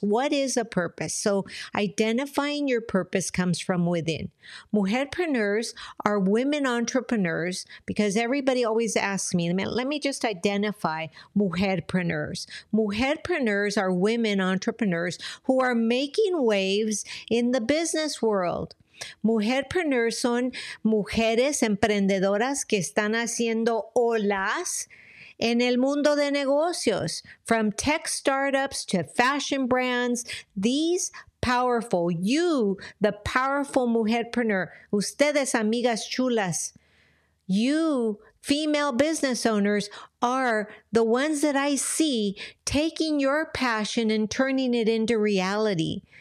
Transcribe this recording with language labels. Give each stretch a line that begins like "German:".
English: What is a purpose? So identifying your purpose comes from within. Mujerpreneurs are women entrepreneurs, because everybody always asks me, let me just identify mujerpreneurs. Mujerpreneurs are women entrepreneurs who are making waves in the business world.
Spanish: Mujerpreneurs son mujeres emprendedoras que están haciendo olas en el mundo de negocios.
English: From tech startups to fashion brands, these powerful, you, the powerful mujerpreneur,
Spanish: ustedes, amigas chulas,
English: you, female business owners, are the ones that I see taking your passion and turning it into reality.